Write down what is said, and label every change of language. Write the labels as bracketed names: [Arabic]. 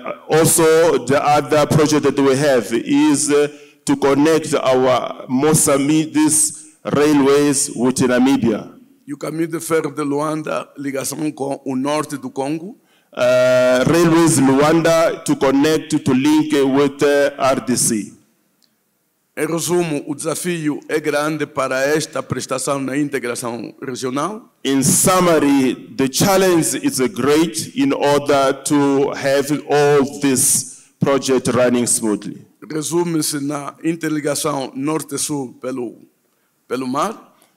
[English] Also, the other project that we have is to connect our Moçambique's railways with Namibia. [Portuguese] E o caminho de ferro de Luanda, ligação com o norte do Congo. [English] Railways Luanda to connect, to link with RDC. [Portuguese] Em resumo, o desafio é grande para esta prestação na integração regional. [English] In summary, the challenge is great in order to have all this project running smoothly. [Portuguese] Resume-se na interligação norte-sul pelo mar.